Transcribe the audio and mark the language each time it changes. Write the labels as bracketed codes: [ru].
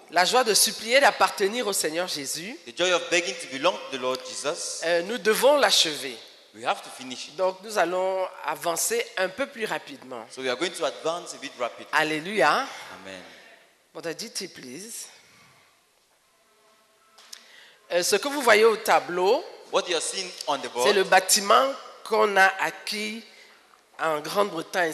[fr] La joie de supplier d'appartenir au Seigneur Jésus. [en] The joy of begging to belong to the Lord Jesus. [fr] Nous devons l'achever. [en] We have to finish it. [fr] Donc nous allons avancer un peu plus rapidement. [en] So we are going to advance a bit rapidly. Alléluia. Amen. What did you please? [fr] Ce que vous voyez au tableau, [en] what you're seeing on the board, [fr] c'est le bâtiment qu'on a acquis en Grande-Bretagne.